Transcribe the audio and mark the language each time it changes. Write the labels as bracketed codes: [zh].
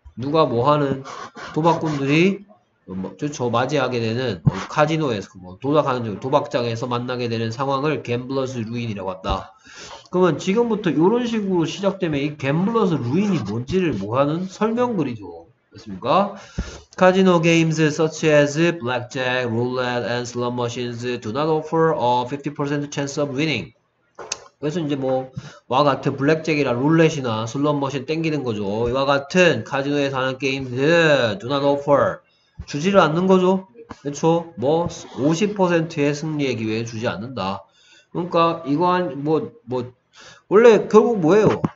[ko] 누가 뭐 하는 도박꾼들이 저 맞이하게 되는 카지노에서 뭐 도박하는 도박장에서 만나게 되는 상황을 갬블러스 루인이라고 한다. 그러면 지금부터 이런 식으로 시작되면 이 갬블러스 루인이 뭔지를 뭐 하는 설명글이죠. 맞습니까? [en] Casino games such as blackjack, roulette, and slot machines do not offer a 50% chance of winning. [ko] 그래서 이제 뭐, 와 같은 블랙잭이나 룰렛이나 슬롯 머신 땡기는 거죠. 이와 같은 카지노에서 하는 게임들, [en] do not offer. [ko] 주지를 않는 거죠. 그렇죠? 뭐 50%의 승리의 기회를 주지 않는다. 그러니까 이건 뭐뭐 뭐 원래 결국 뭐예요?